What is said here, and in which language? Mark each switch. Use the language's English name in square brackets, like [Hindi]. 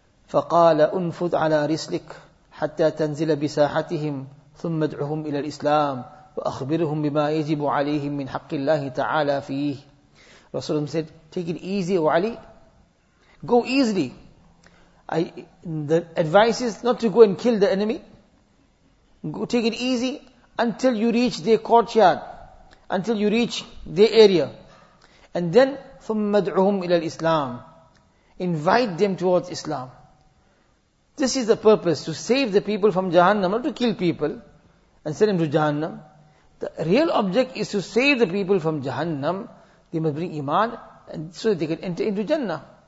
[Arabic] فَقَالَ أُنْفُذْ عَلَىٰ رِسْلِكَ حَتَّى تَنْزِلَ بِسَاحَتِهِمْ ثُمَّ ادْعُهُمْ إِلَىٰ الْإِسْلَامِ وَأَخْبِرُهُمْ بِمَا يَجِبُ عَلَيْهِمْ مِنْ حَقِّ اللَّهِ تَعَالَىٰ فِيهِ. [English] Rasulullah said, take it easy, O Ali. Go easily. The advice is not to go and kill the enemy. Go, take it easy until you reach their courtyard, until you reach their area. And then, [Arabic] ثُمَّ ادْعُهُمْ إِلَىٰ الْإِسْلَامِ. [English] Invite them towards Islam. This is the purpose, to save the people from Jahannam, not to kill people and send them to Jahannam. The real object is to save the people from Jahannam. They must bring Iman and so that they can enter into Jannah.